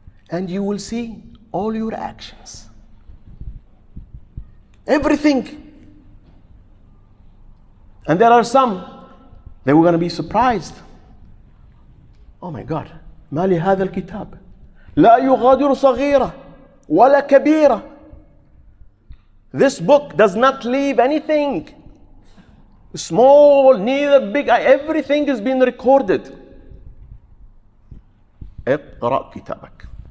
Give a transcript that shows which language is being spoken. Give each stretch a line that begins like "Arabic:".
English: And you will see all your actions. Everything. And there are some, they were going to be surprised. Oh my God.
Arabic: ما لي هذا الكتاب؟ لا يغادر صغيرة ولا كبيرة.
English: This book does not leave anything. Small, neither big. Everything has been recorded.
Arabic: اقرأ كتابك.